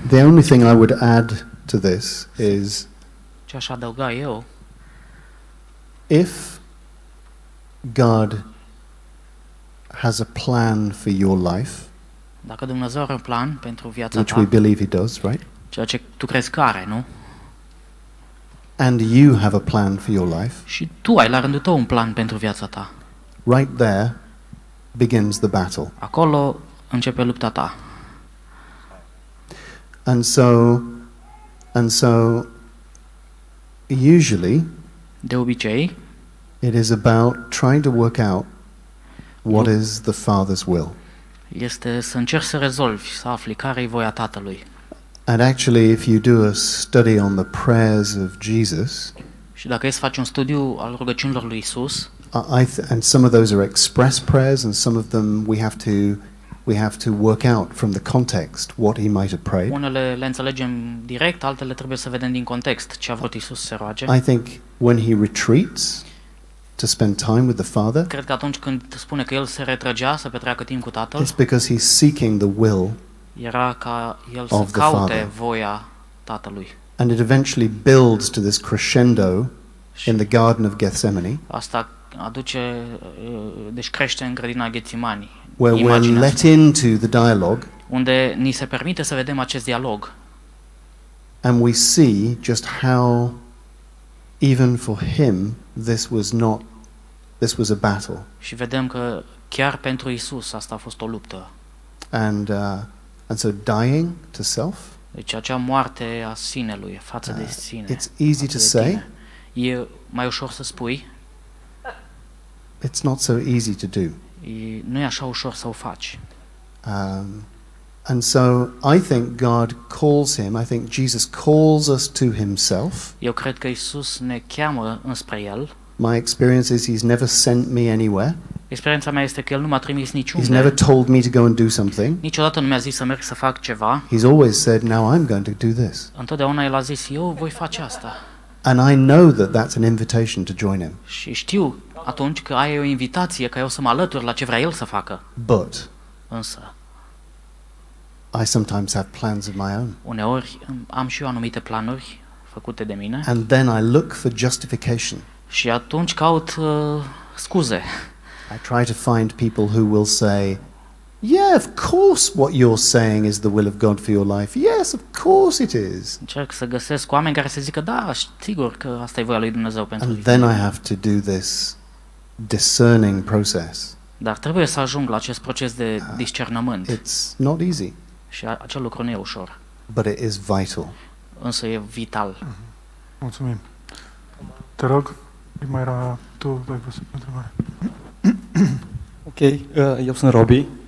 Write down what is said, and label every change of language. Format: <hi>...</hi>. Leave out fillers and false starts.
<en>the only thing I would add to this is,</en> <ro>ce aș adăuga eu,</ro> <en>if God has a plan for your life,</en> <ro>dacă Dumnezeu are un plan pentru viața</ro> <en>which</en> <ro>ta,</ro> <en>we believe he does, right?</en> <ro>Ceea ce tu crezi că are, nu?</ro> <en>And you have a plan for your life,</en> <ro>și tu ai la rândul tău un plan pentru viața ta,</ro> <en>right there begins the battle.</en> <ro>Acolo începe lupta ta.</ro> <en>And so usually,</en> <ro>de obicei,</ro> <en>it is about trying to work out what is the Father's will.</en> <ro>Este să încerci să rezolvi, să afli care e voia Tatălui.</ro> <en>And actually, if you do a study on the prayers of Jesus,</en> <ro>și dacă îți faci un studiu al rugăciunilor lui Isus,</ro> <en>And some of those are express prayers, and some of them we have to work out from the context what he might have prayed.</en> <ro>Unele le înțelegem direct, altele trebuie să vedem din context ce a vrut Iisus să roage.</ro> <en>I think when he retreats to spend time with the Father,</en> <ro>cred că atunci când spune că el se retrăgea să petreacă timp cu Tatăl,</ro> <en>it's because he's seeking the will,</en> <ro>era ca el să caute voia Tatălui.</ro> <en>And it eventually builds to this crescendo in the Garden of Gethsemane.</en> <ro>Asta aduce, deci crește în grădina Ghețimani.</ro> <en>Where we're let into the dialogue,</en> <ro>unde ni se permite să vedem acest dialog.</ro> <en>And we see just how even for him this was a battle.</en> <ro>Și vedem că chiar pentru Isus asta a fost o luptă.</ro> <en>And so dying to self,</en> <ro>deci acea moarte a sinelui, față de sine.</ro> <en>It's easy to say.</en> <ro>E mai ușor să spui.</ro> <en>It's not so easy to do.</en> <ro>Nu e așa ușor să o faci.</ro> <en>And so I think God calls him. I think Jesus calls us to himself.</en> <ro>Eu cred că Isus ne cheamă înspre el.</ro> <en>My experience is he's never sent me anywhere.</en> <ro>Experiența mea este că el nu m-a trimis niciunde.</ro> <en>He's never told me to go and do something.</en> <ro>Niciodată nu mi-a zis să merg să fac ceva.</ro> <en>He's always said, "Now I'm going to do this."</en> <ro>Întotdeauna el a zis, "Eu voi face asta."</ro> <en>And I know that that's an invitation to join him.</en> <ro>Și știu atunci că ai o invitație că eu să mă alătur la ce vrea el să facă.</ro> <en>But</en> <ro>însă</ro> <en>I sometimes have plans of my own.</en> <ro>Uneori am și eu anumite planuri făcute de mine.</ro> <en>And then I look for justification.</en> <ro>Și atunci caut scuze.</ro> <en>I try to find people who will say, "Yeah, of course what you're saying is the will of God for your life. Yes, of course it is."</en> <ro>Încerc să găsesc oameni care să zică, "Da, sigur că asta e voia lui Dumnezeu pentru."</ro> <en>And then I have to do this discerning process.</en> <ro>Dar trebuie să ajung la acest proces de discernământ.</ro> <en>It's not easy.</en> <ro>Și acel lucru nu e ușor.</ro> <en>But it is vital.</en> <ro>Însă e vital. Mulțumim. Te rog, mai era tu, dai pus întrebare. Ok, eu sunt Robi.</ro>